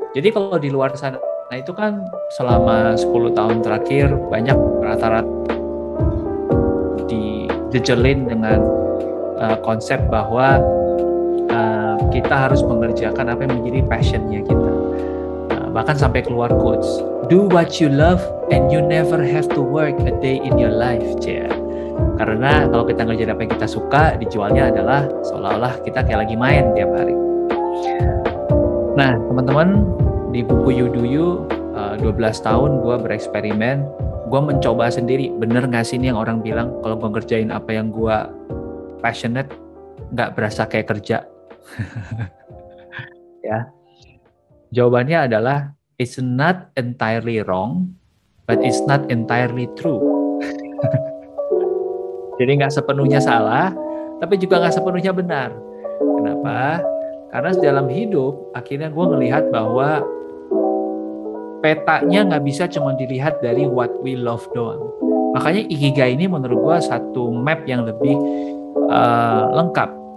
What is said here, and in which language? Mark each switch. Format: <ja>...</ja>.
<id>Jadi kalau di luar sana, nah itu kan selama 10 tahun terakhir banyak rata-rata dijejelin dengan konsep bahwa kita harus mengerjakan apa yang menjadi passionnya kita. Bahkan sampai keluar quotes,</id> <en>do what you love and you never have to work a day in your life. Yeah.</en> <id>Karena kalau kita ngerjain apa yang kita suka, dijualnya adalah seolah-olah kita kayak lagi main tiap hari. Nah, teman-teman, di buku You Do You, 12 tahun gue bereksperimen, gue mencoba sendiri, bener gak sih ini yang orang bilang, kalau gue ngerjain apa yang gue passionate, gak berasa kayak kerja. Ya. Jawabannya adalah,</id> <en>it's not entirely wrong, but it's not entirely true.</en> <id>Jadi gak sepenuhnya salah, tapi juga gak sepenuhnya benar. Kenapa? Karena dalam hidup, akhirnya gue ngelihat bahwa petanya gak bisa cuma dilihat dari</id> <en>what we love</en> <id>doang. Makanya ikigai ini menurut gue satu map yang lebih lengkap.</id>